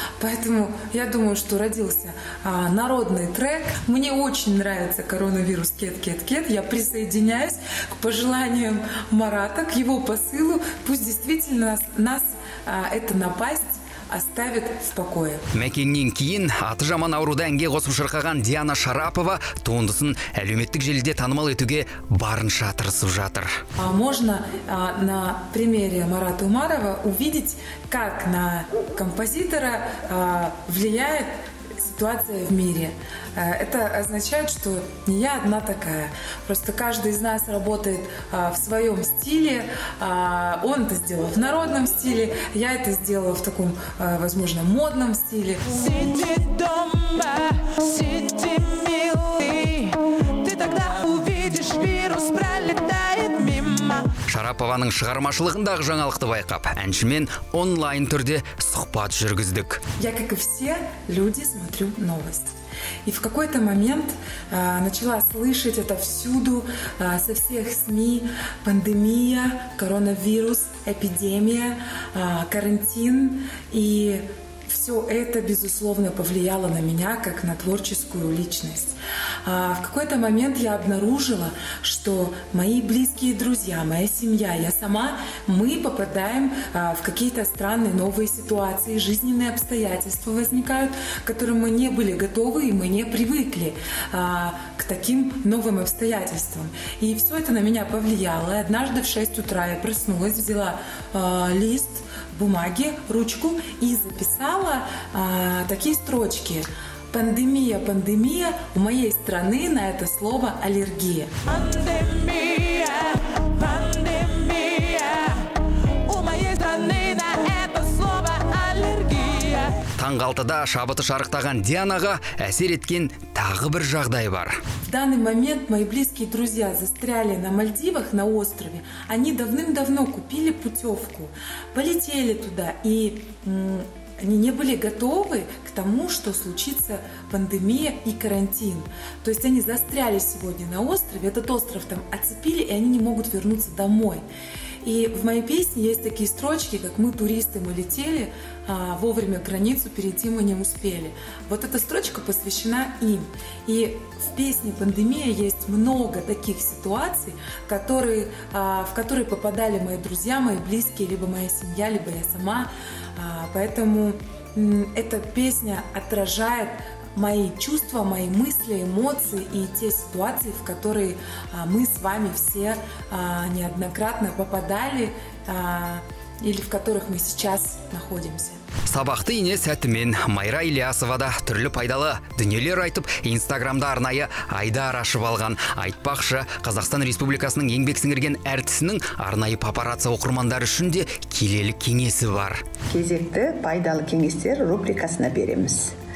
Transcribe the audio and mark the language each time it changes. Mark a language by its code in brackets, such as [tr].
[ru] Поэтому я думаю, что родился народный трек. Мне очень нравится «Коронавирус кет-кет-кет». Я присоединяюсь к пожеланиям Марата, к его посылу. Пусть действительно нас это напасть оставит в покое. [kk] Мәкеннен кейін аты жаман ауруды әнге қосып шырқаған Диана Шарапова туындысын әлеуметтік желіде танымал етуге барынша тырысып жатыр. [ru] Можно на примере Марата Умарова увидеть, как на композитора влияет ситуация в мире. Это означает, что не я одна такая. Просто каждый из нас работает в своем стиле. Он это сделал в народном стиле, я это сделала в таком, возможно, модном стиле. Сиди дома, сиди, милый, ты тогда увидишь вирус пролетает мимо. [kk] Шарапованың шығармашылығындағы жаңалықты байқап, әншімен онлайн түрде сұхбат жүргіздік. [ru] Я, как и все люди, смотрю новости. И в какой-то момент начала слышать это всюду, со всех СМИ, пандемия, коронавирус, эпидемия, карантин. И все это, безусловно, повлияло на меня, как на творческую личность. В какой-то момент я обнаружила, что мои близкие друзья, моя семья, я сама, мы попадаем в какие-то странные новые ситуации, жизненные обстоятельства возникают, к которым мы не были готовы и мы не привыкли к таким новым обстоятельствам. И все это на меня повлияло. И однажды в 6 утра я проснулась, взяла лист, бумаги, ручку и записала такие строчки. Пандемия, пандемия, у моей страны на это слово аллергия. Пандемия, пандемия, у моей страны на это слово аллергия. [kk] Таңғалтыда шабыты шарықтаған Дианаға әсер еткен тағы бір жағдай бар. [ru] В данный момент мои близкие друзья застряли на Мальдивах, на острове. Они давным-давно купили путевку, полетели туда, и они не были готовы к тому, что случится пандемия и карантин. То есть они застряли сегодня на острове, этот остров там оцепили, и они не могут вернуться домой. И в моей песне есть такие строчки, как «Мы, туристы, мы летели, а вовремя границу перейти мы не успели». Вот эта строчка посвящена им. И в песне «Пандемия» есть много таких ситуаций, в которые попадали мои друзья, мои близкие, либо моя семья, либо я сама. Поэтому эта песня отражает мои чувства, мои мысли, эмоции и те ситуации, в которые мы с вами все неоднократно попадали или в которых мы сейчас находимся. [kk] Сабақты ине сәтімен Майра Ильясовада түрлі пайдалы дүниелер айтып, Инстаграмда арнайы Айдар ашып алған. Айтпақшы, Қазақстан Республикасының еңбек сіңірген әртісінің арнайы папарацци оқырмандары үшін де келелі кеңесі бар. Кезекті пайдалы кеңестер рубрикасына береміз.